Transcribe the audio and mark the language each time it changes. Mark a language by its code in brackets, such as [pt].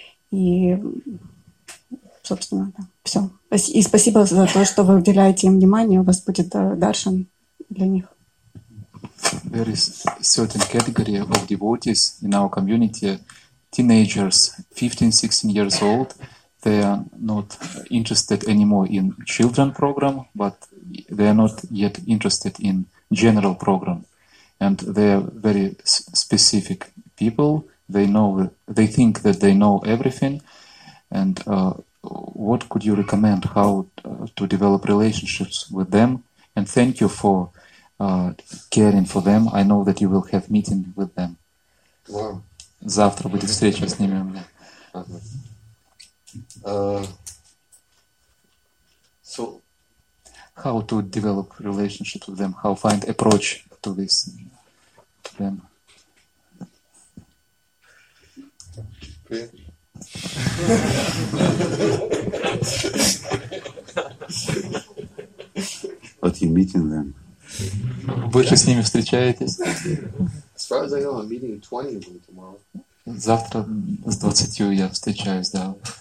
[ru] И, собственно, да, все. И спасибо за то, что вы уделяете им внимание. У вас будет даршан для них. [en] There is a certain category of devotees in our community, teenagers, 15-16 years old. They are not interested anymore in children program, but they are not yet interested in general program. And they are very specific people. They know, they think that they know everything, and what could you recommend how to develop relationships with them? And thank you for caring for them. I know that you will have meeting with them. Wow. [ru] Завтра будет встреча с ними у меня. [en] So, how to develop relationships with them? How find approach to this to them? But you're meeting them. [ru] Вы же с ними встречаетесь? [en] As far as I know, I'm meeting 20 of them tomorrow. [ru] Завтра с 20 я встречаюсь, да.